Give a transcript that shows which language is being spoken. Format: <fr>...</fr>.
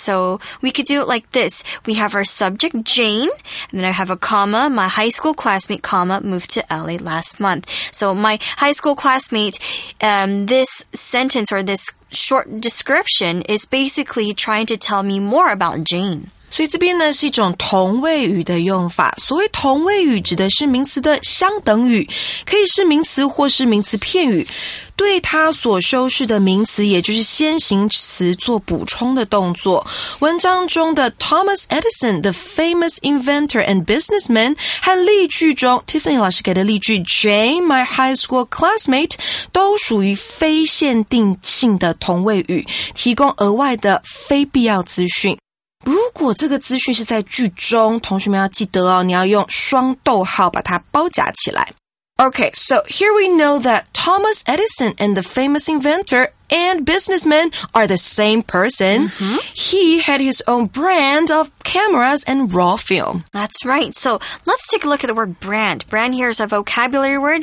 <en>So we could do it like this. We have our subject, Jane, and then I have a comma, my high school classmate, comma, moved to LA last month. So my high school classmate, this sentence or this short description is basically trying to tell me more about Jane.</en> <zh>所以这边呢是一种同位语的用法。所谓同位语指的是名词的相等语，可以是名词或是名词片语，对它所修饰的名词，也就是先行词做补充的动作。文章中的</zh> <en>Thomas Edison, the famous inventor and businessman,</en> <zh>和例句中 Tiffany 老师给的例句</zh> <en>Jane, my high school classmate,</en> <zh>都属于非限定性的同位语，提供额外的非必要资讯。如果这个资讯是在句中，同学们要记得哦，你要用双逗号把它包夹起来。</zh> <en>Okay, so here we know that Thomas Edison and the famous inventor and businessman are the same person. Mm-hmm. He had his own brand of cameras and raw film. That's right. So let's take a look at the word brand. Brand here is a vocabulary word.</en>